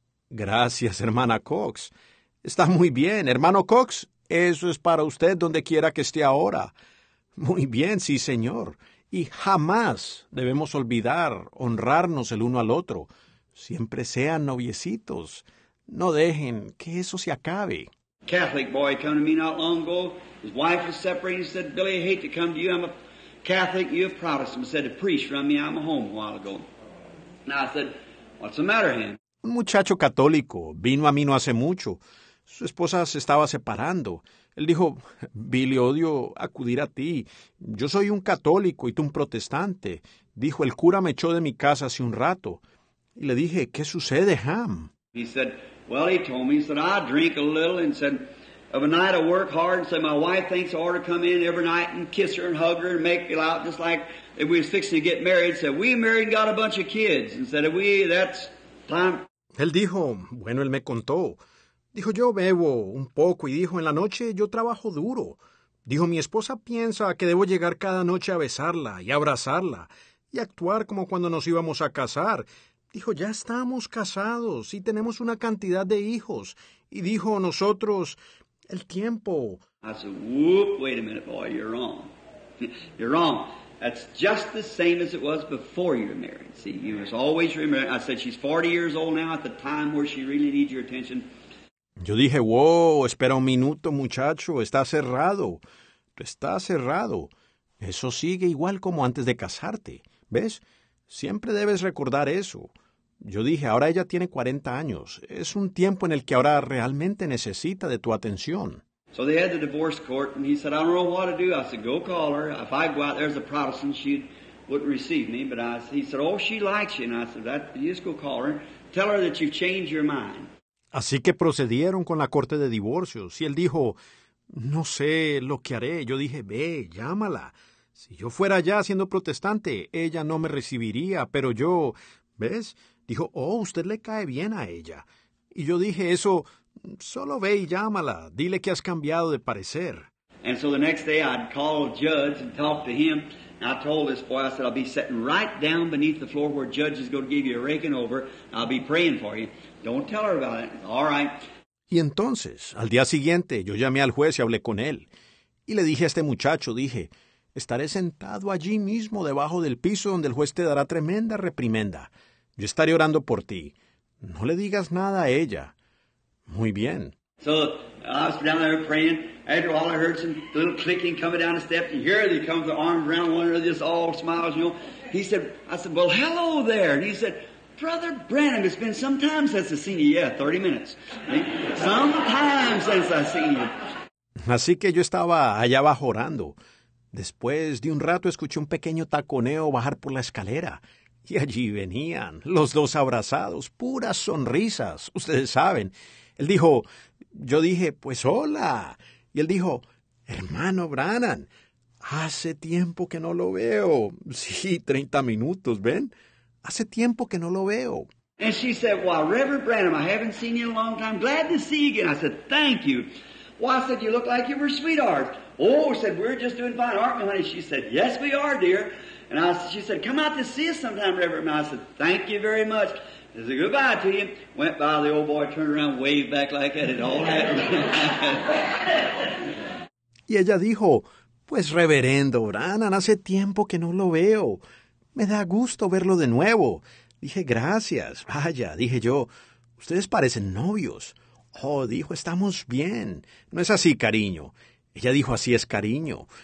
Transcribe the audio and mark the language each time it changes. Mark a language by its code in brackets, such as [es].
[es] Gracias, hermana Cox. Está muy bien. Hermano Cox, eso es para usted donde quiera que esté ahora. Muy bien, sí, señor. Y jamás debemos olvidar honrarnos el uno al otro. Siempre sean noviecitos. No dejen que eso se acabe. [en] Catholic boy came to me not long ago. His wife was separated. He said, Billy, I hate to come to you. I'm a Catholic. You're a Protestant. He said, the priest run me out of my home a while ago. And I said, what's the matter, him? [es] Un muchacho católico vino a mí no hace mucho. Su esposa se estaba separando. Él dijo, Billy, odio acudir a ti. Yo soy un católico y tú un protestante. Dijo, el cura me echó de mi casa hace un rato. Y le dije, ¿qué sucede, Ham? [en] He said, well, he told me, he said, I drink a little, and said, of a night I work hard and say my wife thinks I ought to come in every night and kiss her and hug her and make me out just like if we was fixing to get married. Said, we married and got a bunch of kids. And said, we, that's time. [es] Él dijo, bueno, él me contó. Dijo, yo bebo un poco y dijo, en la noche yo trabajo duro. Dijo, mi esposa piensa que debo llegar cada noche a besarla y abrazarla y actuar como cuando nos íbamos a casar. Dijo, ya estamos casados y tenemos una cantidad de hijos. Y dijo, nosotros, el tiempo. [en] I said, whoop, wait a minute, boy, you're wrong. You're wrong. That's just the same as it was before you were married. See, you must always remember. I said, she's 40 years old now at the time where she really needs your attention. [es] Yo dije, wow, espera un minuto, muchacho, está cerrado. Está cerrado. Eso sigue igual como antes de casarte. ¿Ves? Siempre debes recordar eso. Yo dije, ahora ella tiene 40 años. Es un tiempo en el que ahora realmente necesita de tu atención. [en] So they had the divorce court, and he said, I don't know what to do. I said, go call her. If I go out there as a Protestant, she wouldn't receive me. But I, he said, oh, she likes you. And I said, that, you just go call her. Tell her that you've changed your mind. [es] Así que procedieron con la corte de divorcios. Y él dijo, no sé lo que haré. Yo dije, ve, llámala. Si yo fuera allá siendo protestante, ella no me recibiría. Pero yo, ¿ves? Dijo, oh, usted le cae bien a ella. Y yo dije, eso, solo ve y llámala. Dile que has cambiado de parecer. [en] And so the next day I'd call Judge and talk to him. And I told this boy, I said, I'll be sitting right down beneath the floor where Judge is going to give you a raking over. And I'll be praying for you. Don't tell her about it. All right. [es] Y entonces, al día siguiente, yo llamé al juez y hablé con él. Y le dije a este muchacho, dije, estaré sentado allí mismo debajo del piso donde el juez te dará tremenda reprimenda. Yo estaré orando por ti. No le digas nada a ella. Muy bien. [en] So I was down there praying. After all, I heard some little clicking coming down the steps. And here they come with their arms around one another, just all smiles, you know. He said, I said, well, hello there. And he said, Brother Branham, it's been some time since I've seen you. Yeah, 30 minutes. Some time since I've seen you. [es] Así que yo estaba allá abajo orando. Después de un rato escuché un pequeño taconeo bajar por la escalera. Y allí venían, los dos abrazados, puras sonrisas, ustedes saben. Él dijo, yo dije, pues hola. Y él dijo, hermano Branham, hace tiempo que no lo veo. Sí, 30 minutos, ¿ven? Hace tiempo que no lo veo. [en] And she said, well, Reverend Branham, I haven't seen you in a long time. Glad to see you again. I said, thank you. Well, I said, you look like you were sweethearts. Oh, I said, we're just doing fine, aren't we, honey? She said, yes, we are, dear. And I, she said, come out to see us sometime, Reverend. And I said, thank you very much. I said, goodbye to you. Went by, the old boy turned around, waved back like that. It all happened. [es] Y ella dijo, pues, Reverendo Branham, hace tiempo que no lo veo. Me da gusto verlo de nuevo. Dije, gracias. Vaya, dije yo, ustedes parecen novios. Oh, dijo, estamos bien. No es así, cariño. Ella dijo, así es, cariño.